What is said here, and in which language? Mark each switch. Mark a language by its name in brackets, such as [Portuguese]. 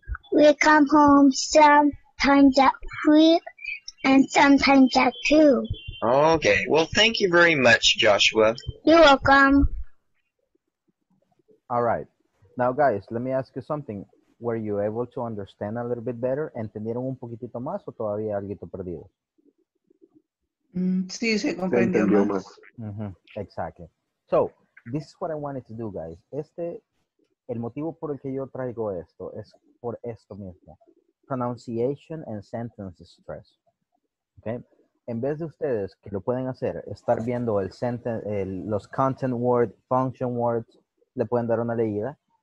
[English] We come home sometimes at 3 and sometimes at 2. Okay. Well, thank you very much, Joshua. You're welcome. All right. Now, guys, let me ask you something. Were you able to understand a little bit better? [Spanish] ¿Entendieron un poquitito más o todavía algo perdido? Sí, se comprendió más. [English] Exactly. So, this is what I wanted to do, guys. [Spanish] El motivo por el que yo traigo esto es por esto mismo. [English] Pronunciation and sentence stress. Okay? [Spanish] En vez de ustedes, que lo pueden hacer, estar viendo el sentence, los content words, function words, le pueden dar una leída.